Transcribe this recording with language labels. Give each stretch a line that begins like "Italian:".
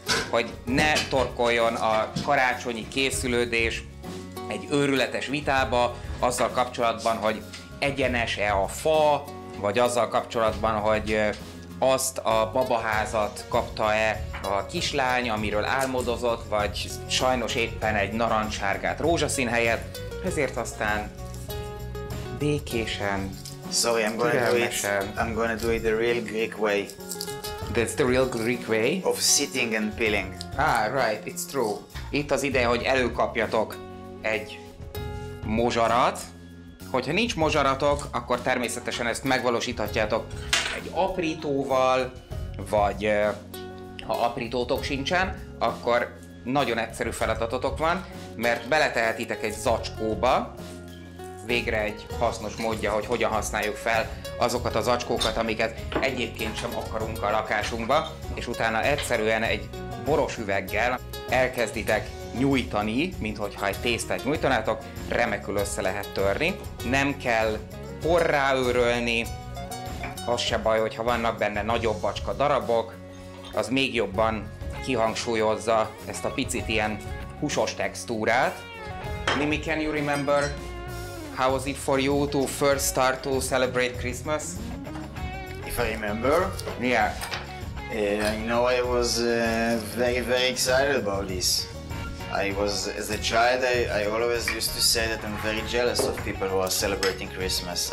Hungarian: hogy ne torkoljon a karácsonyi készülődés egy őrületes vitába, azzal kapcsolatban, hogy egyenes-e a fa, vagy azzal kapcsolatban, hogy azt a babaházat kapta-e a kislány, amiről álmodozott, vagy sajnos éppen egy narancssárgát rózsaszín helyett, ezért aztán békésen,
English: sorry, I'm gonna do it the real Greek way. That's the real Greek way? Of sitting and peeling. Ah, right, it's true.
Hungarian: Itt az ideje, hogy előkapjatok egy mozsarat, hogyha nincs mozsaratok, akkor természetesen ezt megvalósíthatjátok egy aprítóval, vagy ha aprítótok sincsen, akkor nagyon egyszerű feladatotok van, mert beletehetitek egy zacskóba, végre egy hasznos módja, hogy hogyan használjuk fel azokat a zacskókat, amiket egyébként sem akarunk a lakásunkba, és utána egyszerűen egy boros üveggel elkezditek nyújtani, minthogyha egy tésztát nyújtanátok, remekül össze lehet törni. Nem kell porrá őrölni, az se baj, hogyha vannak benne nagyobb acska darabok, az még jobban kihangsúlyozza ezt a picit ilyen húsos textúrát.
English: Mimi, can you remember how was it for you to first start to celebrate Christmas? If I remember? Yeah. I was very, very excited about this. I was, as a child, I always used to say that I'm very jealous of people who are celebrating Christmas.